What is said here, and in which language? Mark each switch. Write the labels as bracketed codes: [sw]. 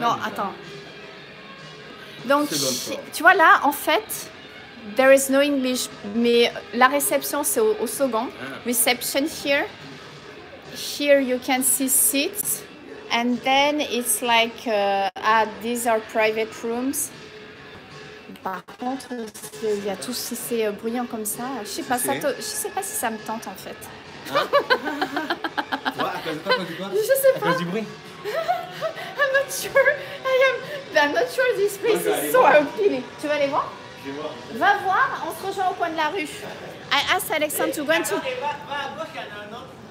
[fr] non, attends. Donc, tu vois là, en fait, [en] there is no English, [fr] mais la réception, c'est au second. [en] Reception here. Here, you can see seats. And then it's like, these are private rooms. [fr] Par contre, il y a tout, si c'est bruyant comme ça, je sais pas si ça me tente en fait. Hein? Je sais pas. À cause du bruit. [en] I'm not sure. I'm not sure this place is so appealing. [fr] Tu vas aller voir? Je vais voir. Va voir, on se rejoint au coin de la rue. [en] I asked Alexandre to go into. [fr] Va à gauche, il y en a un autre.